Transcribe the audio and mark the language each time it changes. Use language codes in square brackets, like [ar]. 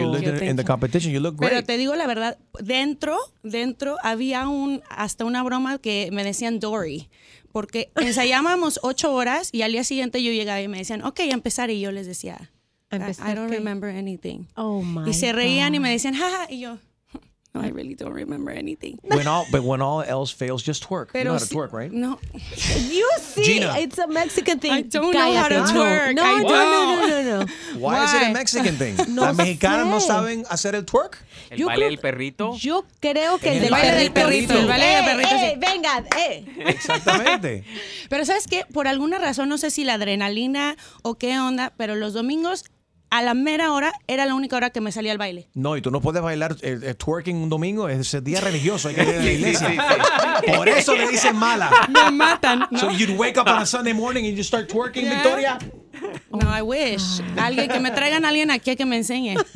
[en] You looked in the competition. You look great. [es] Pero te digo la verdad, dentro había hasta una broma que me decían Dory, porque ensayábamos 8 horas y al día siguiente yo llegaba y me decían, ok, a empezar, y yo les decía, [en] I don't remember anything. Oh my. [es] Y se reían [en] God. [es] Y me decían, jaja, y yo, no, [en] I really don't remember anything. When all else fails, just twerk. [es] Pero [en] you know how to twerk, right? [es] No. [en] You see, Gina. It's a Mexican thing. I don't know how to twerk. No. Why is it a Mexican thing? [es] No, ¿las mexicanas no saben hacer el twerk? ¿El yo baile del perrito? Yo creo que el baile del perrito. El baile del perrito. Venga. Exactamente. Pero ¿sabes qué? Por alguna razón, no sé si la adrenalina o qué onda, pero los domingos, a la mera hora, era la única hora que me salía al baile. No, y tú no puedes bailar twerking un domingo, es el día religioso, hay que ir a la iglesia. Por eso le dicen mala. Me matan. ¿No? [en] So you'd wake up on a Sunday morning and you start twerking, yeah. Victoria. No, I wish. [es] Alguien, que me traigan a alguien aquí que me enseñe.